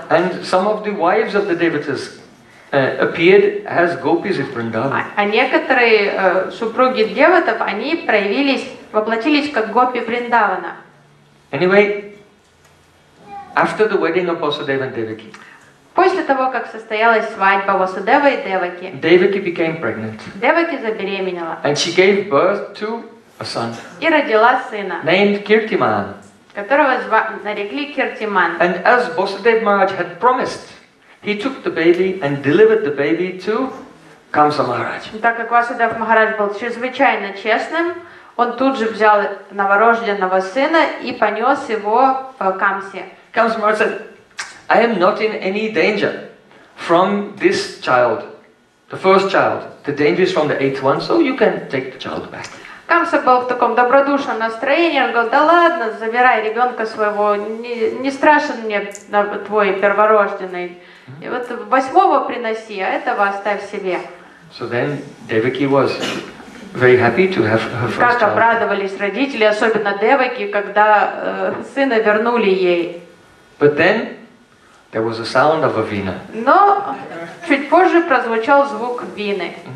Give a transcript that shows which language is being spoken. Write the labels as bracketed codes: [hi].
[en] And some of the wives of the devatas appeared as gopis in Vrindavan. [ru] А некоторые супруги деватов, они проявились, воплотились как гопи Вриндавана. [en] Anyway, after the wedding of Vasudeva and Devaki. [ru] После того, как состоялась свадьба Васудевы и Деваки, [en] Devaki became pregnant. [ru] Деваки забеременела. [en] And she gave birth to a son. [ru] И родила сына. [en] Named Kirtiman. [ru] Которого нарекли Киртиман. [en] And as Vasudeva Maharaj had promised, he took the baby and delivered the baby to Kamsa Maharaj. [ru] Так как Васудев Махарадж был чрезвычайно честным, он тут же взял новорожденного сына и понес его в Камсе. [en] Kamsa Maharaj said, I am not in any danger from this child, the first child. The danger is from the eighth one, so you can take the child back. [ru] Камса был в таком добродушном настроении, он говорил, да ладно, забирай ребенка своего, не страшен мне твой перворожденный. И вот восьмого приноси, а этого оставь себе. [en] So then Devaki was very happy to have her first child. [ru] Как обрадовались родители, особенно Деваки, когда сына вернули ей. [en] But then there was a sound of a vina. [ru] Но чуть позже прозвучал звук вины.